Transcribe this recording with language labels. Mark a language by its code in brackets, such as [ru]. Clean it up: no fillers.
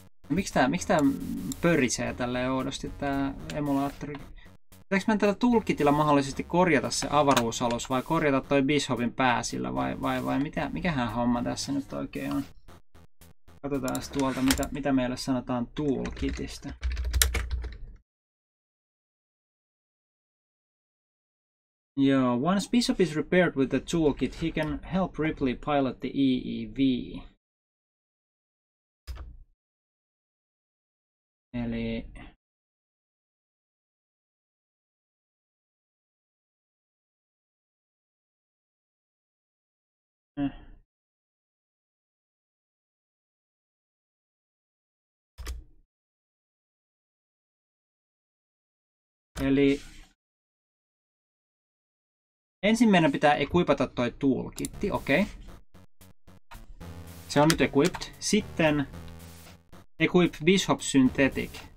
[fi] Miksi tää pörisee tälleen oudosti tää emulaattori? Pitääks mä tällä tulkitilla mahdollisesti korjata se avaruusalus vai korjata toi Bishopin pää sillä vai mitä, mikähän homma tässä nyt oikein on? Katsotaan tuolta mitä meille sanotaan tulkitista. [en] Joo, once Bishop is repaired with the toolkit, he can help Ripley pilot the EEV. [fi] Eli... Eli... Ensin meidän pitää equipata toi toolkitti, okei. Okay. Se on nyt equipped. Sitten... [en] Equip Bishop Synthetic.